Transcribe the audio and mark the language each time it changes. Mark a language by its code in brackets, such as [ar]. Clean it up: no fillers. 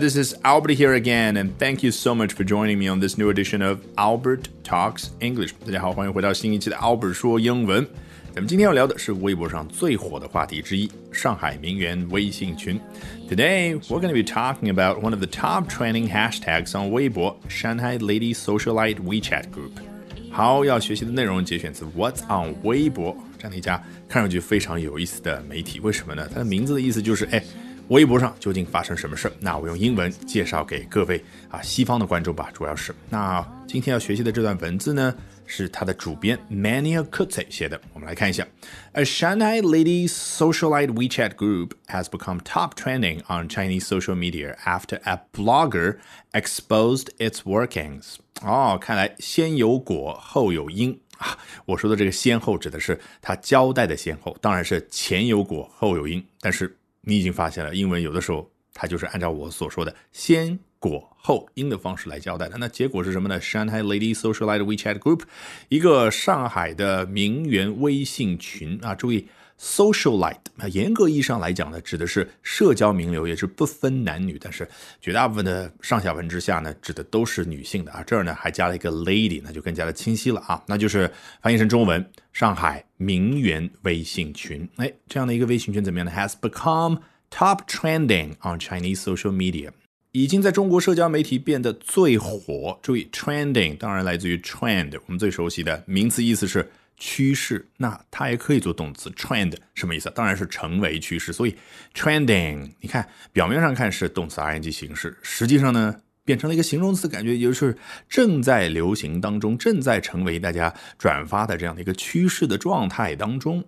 [en] This is Albert here again, and thank you so much for joining me on this new edition of Albert Talks English. [zh] 大家好，欢迎回到新一期的 Albert 说英文。咱们今天要聊的是微博上最火的话题之一，上海名媛微信群。 [en] Today, we're going to be talking about one of the top trending hashtags on Weibo, Shanghai Lady Socialite WeChat Group. [zh] 好，要学习的内容节选自 What's on Weibo, 这样一家看上去非常有意思的媒体。为什么呢？它的名字的意思就是，哎，微博上究竟发生什么事，那我用英文介绍给各位啊，西方的观众吧，主要是。那今天要学习的这段文字呢，是他的主编 Mania Kutze 写的，我们来看一下。 [en] A Shanghai lady socialite WeChat group has become top trending on Chinese social media after a blogger exposed its workings. [zh] 哦，看来先有果后有因啊，我说的这个先后指的是他交代的先后，当然是前有果后有因，但是你已经发现了，英文有的时候它就是按照我所说的先果后因的方式来交代的。那结果是什么呢？ [en] Shanghai Lady Socialite WeChat Group, [zh] 一个上海的名媛微信群啊，注意 Socialite, 严格意义上来讲呢，指的是社交名流，也是不分男女，但是绝大部分的上下文之下呢，指的都是女性的啊。这儿呢还加了一个 Lady, 那就更加的清晰了啊，那就是翻译成中文，上海名媛微信群。哎，这样的一个微信群怎么样呢？ [en] Has become top trending on Chinese social media, [zh] 已经在中国社交媒体变得最火。注意 trending 当然来自于 trend, 我们最熟悉的名词意思是趋势，那它也可以做动词 trend, 什么意思？当然是成为趋势。所以 trending 你看表面上看是动词 ing 形式，实际上呢变成了一个形容词，感觉就是正在流行当中，正在成为大家转发的这样的一个趋势的状态当中。